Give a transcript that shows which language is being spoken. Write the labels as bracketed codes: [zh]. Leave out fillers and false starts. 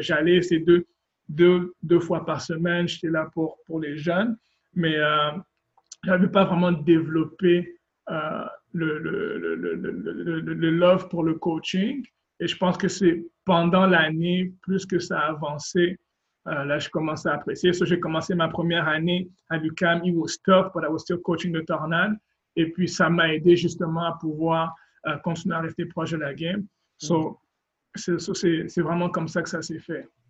[fr] J'allais, c'est deux fois par semaine, j'étais là pour les jeunes, mais j'avais pas vraiment développé le love pour le coaching. Et je pense que c'est pendant l'année, plus que ça avançait, là, je commençais à apprécier. So, j'ai commencé ma première année à l'UQAM. [en] It was tough, but I was still coaching the Tornade. [fr] Et puis, ça m'a aidé justement à pouvoir continuer à rester proche de la game. So, c'est vraiment comme ça que ça s'est fait.